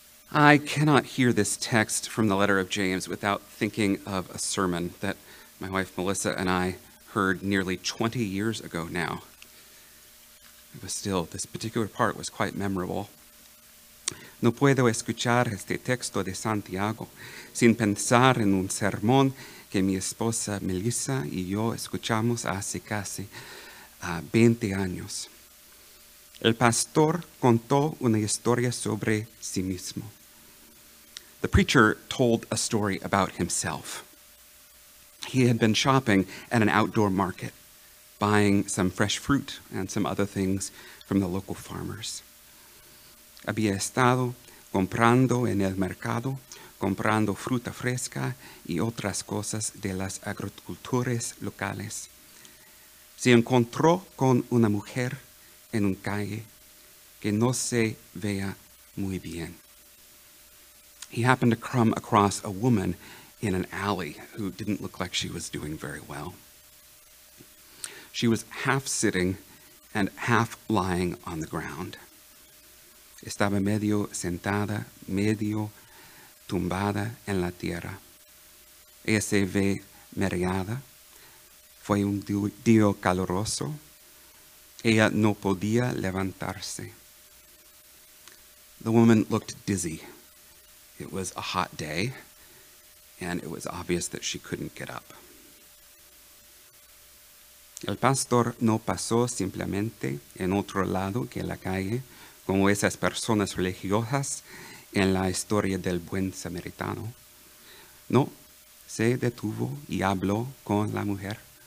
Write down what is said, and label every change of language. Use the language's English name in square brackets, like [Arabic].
[English] I cannot hear this text from the letter of James without thinking of a sermon that my wife Melissa and I heard nearly 20 years ago now. It was still, this particular part was quite memorable. [Spanish] No puedo escuchar este texto de Santiago sin pensar en un sermón que mi esposa Melissa y yo escuchamos hace casi 20 años. El pastor contó una historia sobre sí mismo. [English] The preacher told a story about himself. He had been shopping at an outdoor market, buying some fresh fruit and some other things from the local farmers. [Spanish] Había estado comprando en el mercado, comprando fruta fresca y otras cosas de las agricultores locales. Se encontró con una mujer en un calle que no se veía muy bien. [English] He happened to come across a woman in an alley who didn't look like she was doing very well. She was half sitting and half lying on the ground. [Spanish] Estaba medio sentada, medio tumbada en la tierra. Ella se ve mareada. Fue un día caluroso. Ella no podía levantarse. [English] The woman looked dizzy. It was a hot day, and it was obvious that she couldn't get up. [Spanish] El pastor no pasó simplemente en otro lado que la calle, como esas personas religiosas en la historia del buen samaritano. No, se detuvo y habló con la mujer.